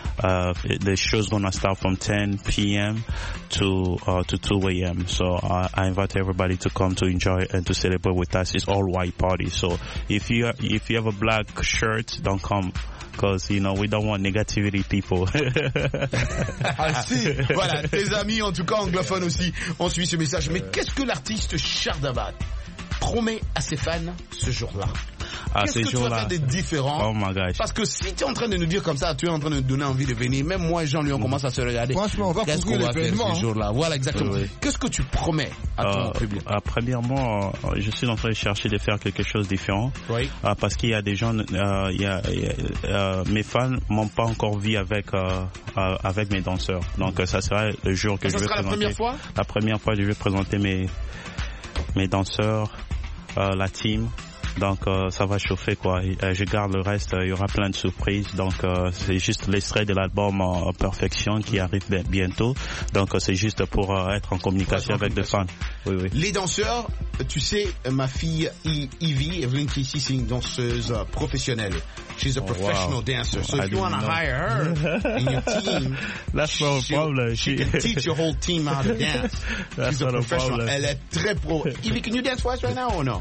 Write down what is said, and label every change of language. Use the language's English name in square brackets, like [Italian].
[English] The show's gonna start from 10 p.m. to 2 a.m. So I invite everybody to come to enjoy and to celebrate with us. It's All White Party. So if you have a black shirt, don't come. Because, you know, we don't want negativity, people. [French] Ah, si. Voilà, tes amis, en tout cas anglophones aussi, ont suivi ce message. Mais qu'est-ce que l'artiste Chardabat promet à ses fans ce jour-là? Qu'est-ce ce jour-là, tu vas faire de différent? [English] Oh my gosh. [French] Parce que si tu es en train de nous dire comme ça, tu es en train de nous donner envie de venir. Même moi et Jean-Louis, on commence à se regarder. Franchement, on va qu'est-ce qu'on va faire ce jour-là? Voilà, exactement. Oui. Qu'est-ce que tu promets à ton public? Premièrement, je suis en train de chercher de faire quelque chose de différent. Oui. Parce qu'il y a des gens, mes fans m'ont pas encore vu avec mes danseurs. Donc ça sera le jour que ça je vais présenter. Ça sera la première fois? La première fois que je vais présenter mes danseurs, la team. Donc ça va chauffer quoi. Je garde le reste, il y aura plein de surprises. Donc c'est juste l'extrait de l'album Perfection qui arrive bientôt. Donc c'est juste pour être en communication avec des fans. Oui, oui. Les danseurs, tu sais, ma fille Ivy, Evelyn Kissy, c'est une danseuse professionnelle. [English] She's a professional dancer. So if you want to hire her in your team, that's not a problem. She can teach your whole team how to dance. That's she's not a professional. A problem. [French] Elle est très pro. [English] Ivy, can you dance for us right now or no?